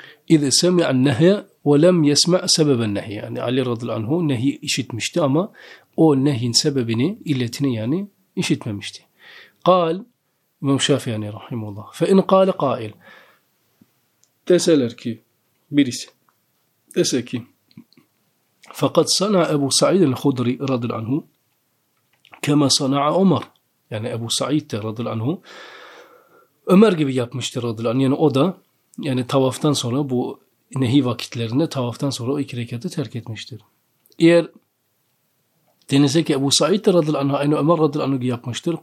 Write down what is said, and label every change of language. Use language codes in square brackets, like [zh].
[ar] اِذَا سَمِعَ النَّهْيَ وَلَمْ يَسْمَعْ سَبَبَ النَّهْيَ. [tr] Yani Ali radıyallahu anhu nehyi işitmişti ama o nehyin sebebini, illetini yani işitmemişti. قال İmam Şafii yani rahimullah. [ar] فَاِنْ قَالَ قَائِلْ. [tr] Deseler ki birisi, dese ki [ar] فَقَدْ صَنَعَ أَبُو سَعِيدٍ الْخُدْرِ رَضِيَ عَنْهُ كَمَا صَنَعَ عُمَر. [tr] Yani Ebu Sa'id de radıyallahu anhu Ömer gibi yapmıştı radıyallahu anhu. Yani o da yani tavaftan sonra bu nehi vakitlerinde tavaftan sonra o iki rekatı terk etmiştir. Eğer denize ki Ebu Sa'id de radıyallahu anhu aynı Ömer radıyallahu anhu yapmıştır.